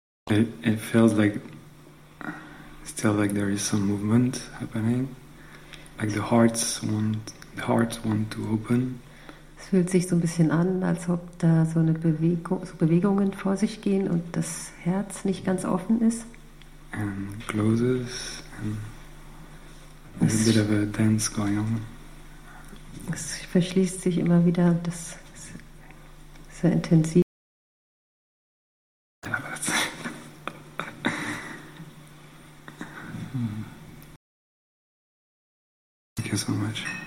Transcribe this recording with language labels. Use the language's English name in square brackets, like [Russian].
[English] It feels like still like there is some movement happening. Like the hearts want to open. [German] Es fühlt sich so ein bisschen an, als ob da so eine Bewegung, so Bewegungen vor sich gehen und das Herz nicht ganz offen ist. [English] And closes. And there's a bit of a dance going on. [German] Es verschließt sich immer wieder, das ist sehr intensiv. [English] Thank you so much.